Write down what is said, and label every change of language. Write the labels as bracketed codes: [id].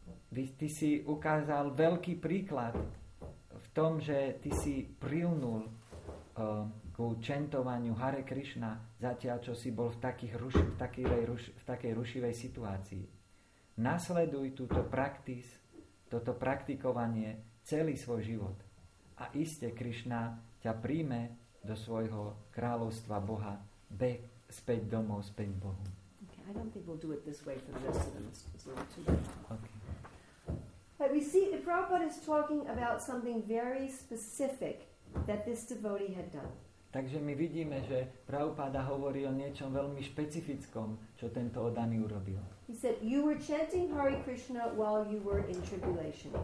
[sk] Ty si ukázal veľký príklad v tom, že ty si prilnul ku čentovaniu Hare Krishna, zatiaľ čo si bol v takej rušivej situácii. Nasleduj túto praktis, toto praktikovanie celý svoj život. A iste Krišna ťa príjme do svojho kráľovstva Boha. Beh späť domov, späť Bohu. [en] Okay, I don't think we'll do it this way for the rest of them. Okay. But we see the Prabhupada is talking about something very specific that this devotee had done. [sk] Takže my vidíme, že Prabhupada hovorí o niečom veľmi špecifickom, čo tento oddaný urobil. [en] He said, you were chanting Hare Krishna while you were in tribulation.